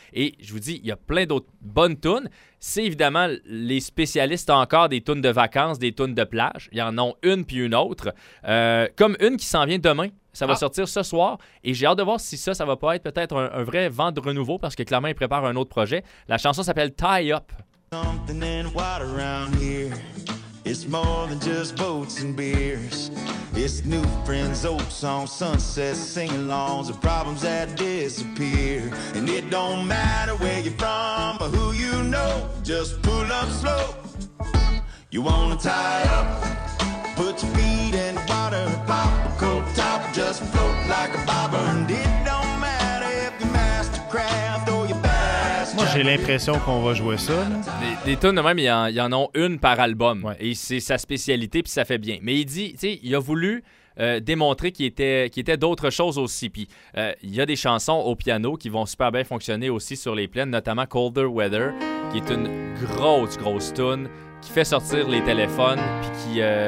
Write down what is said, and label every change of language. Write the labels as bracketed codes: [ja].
[fr] Et je vous dis, il y a plein d'autres bonnes tunes. C'est évidemment les spécialistes encore des tunes de vacances, des tunes de plage. Il y en a une puis une autre. Comme une qui s'en vient demain. Ça va sortir ce soir. Et j'ai hâte de voir si ça va pas être peut-être un vrai vent de renouveau parce que clairement, ils préparent un autre projet. La chanson s'appelle « Tie Up ». [en] Something in water around here. It's more than just boats and beers. It's new friends, old songs, sunsets, sing-alongs, and problems that disappear. And it don't matter where you're from or who you know, just pull up slow. You wanna tie up, put your feet in water, pop a coat top, just float like a bobber. And it don't matter if you're Mastercraft or you're Bass. [fr] Moi, j'ai l'impression qu'on va jouer ça. Des tunes de même, il y en a une par album. Ouais. Et c'est sa spécialité, puis ça fait bien. Mais il dit, tu sais, il a voulu démontrer qu'il était d'autres choses aussi. Puis il y a des chansons au piano qui vont super bien fonctionner aussi sur les plaines, notamment Colder Weather, qui est une grosse, grosse tune qui fait sortir les téléphones, puis qui...